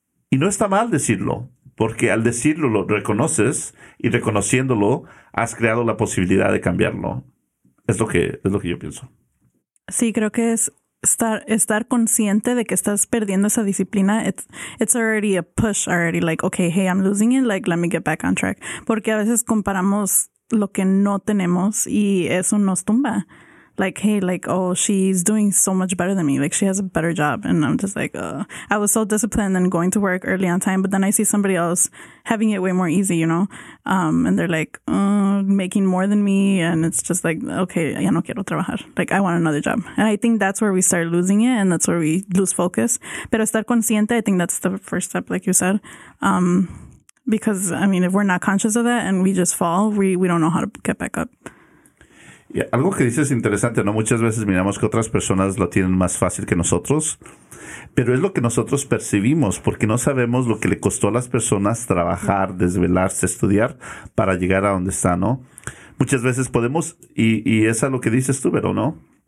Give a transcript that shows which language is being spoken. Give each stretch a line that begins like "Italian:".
Spanish: Y no está mal decirlo, porque al decirlo lo reconoces y reconociéndolo, has creado la posibilidad de cambiarlo. Es lo que yo pienso. Sí, creo que es estar consciente de que estás perdiendo esa disciplina.
English: It's already a push already. Like, okay, hey, I'm losing it. Like, let me get back on track.
Spanish: Porque a veces comparamos lo que no tenemos y eso nos tumba.
English: like, hey, like, oh, she's doing so much better than me. Like, she has a better job. And I'm just like, I was so disciplined and going to work early on time. But then I see somebody else having it way more easy, you know, and they're like making more than me. And it's just like, OK,
Spanish: ya no quiero trabajar.
English: Like, I want another job. And I think that's where we start losing it. And that's where we lose focus.
Spanish: Pero estar consciente,
English: I think that's the first step, like you said, because, I mean, if we're not conscious of that and we just fall, we don't know how to get back up.
Spanish: Y algo que dices es interesante, ¿no? Muchas veces miramos que otras personas lo tienen más fácil que nosotros, pero es lo que nosotros percibimos, porque no sabemos lo que le costó a las personas trabajar, desvelarse, estudiar para llegar a donde está, ¿no? Muchas veces podemos, y es a lo que dices tú, pero no.